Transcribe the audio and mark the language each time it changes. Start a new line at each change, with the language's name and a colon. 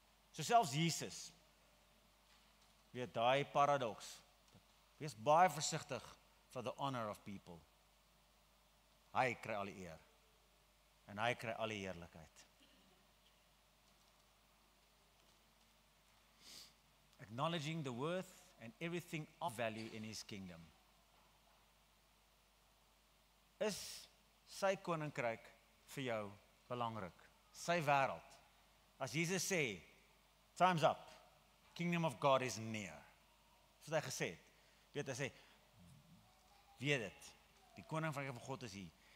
Afrikaans: So selfs Jesus weet daai paradoks. Wees baie versigtig
English: for the honor of people.
Afrikaans: Hy kry al die eer. En hy kry al die heerlikheid.
English: Acknowledging the worth and everything of value in his kingdom.
Afrikaans: Is sy koninkryk vir jou belangrik? Sy wêreld. As Jesus sê,
English: time's up. Kingdom of God is near.
Afrikaans: Soos hy gesê het. Weet, hy sê, weet het, die koninkryk van God is hier.